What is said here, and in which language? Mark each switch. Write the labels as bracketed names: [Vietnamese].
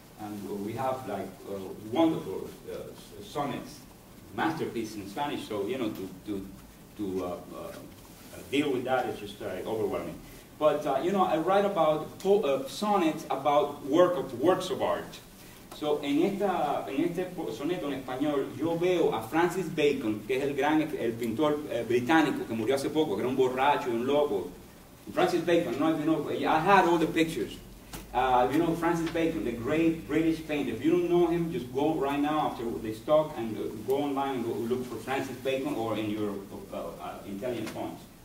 [English] And we have like wonderful sonnets, masterpieces in Spanish. So, you know, to deal with that is just overwhelming. But, you know, I write about sonnets about works of art. [Spanish] So, en este soneto en español, yo veo a Francis Bacon, que es el pintor británico que murió hace poco, que era un borracho, un loco. [English] Francis Bacon, no, you know, I had all the pictures. You know, Francis Bacon, the great British painter. If you don't know him, just go right now after this talk and go online and go look for Francis Bacon or in your intelligent phones.